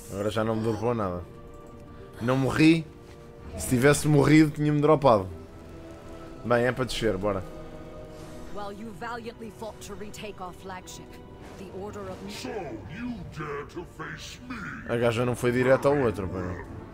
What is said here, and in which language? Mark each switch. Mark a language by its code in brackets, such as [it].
[pt] Já não me dropou nada. Não morri. Se tivesse morrido, tinha-me dropado. Bem, é para descer, bora. [en] Well, you valiantly fought to retake our flagship. The order of... So, you dare to face me? [pt] A gaja não foi direto ao outro, pera.